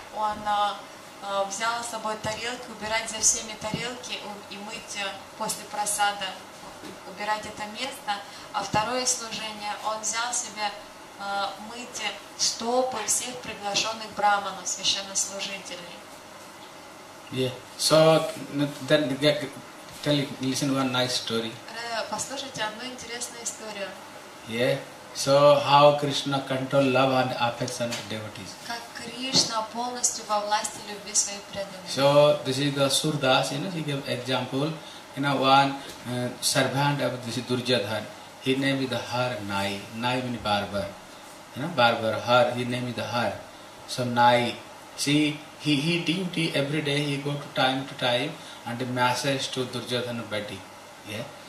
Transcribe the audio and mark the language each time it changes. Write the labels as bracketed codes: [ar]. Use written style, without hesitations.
[ru] Он взял с собой тарелки, убирать за всеми тарелки и мыть после просада, убирать это место. А второе служение, он взял себе мыть стопы всех приглашенных брахманов, священнослужителей. [en] Yeah. So, then, listen one nice story. [ru] Послушайте одну интересную историю. [en] Yeah. So how Krishna control love and affection of devotees? [ru] Как Кришна полностью во власти любви своих преданных. [en] So this is the Surdas, you know, he gave example. You know, one servant of this Durjadhan, he named the Har Nai, Nai means barber. you know, barber, Har, his name is the Har. Some Nai. See, he duty every day, he go to time and massage to Duryodhana body. Yeah?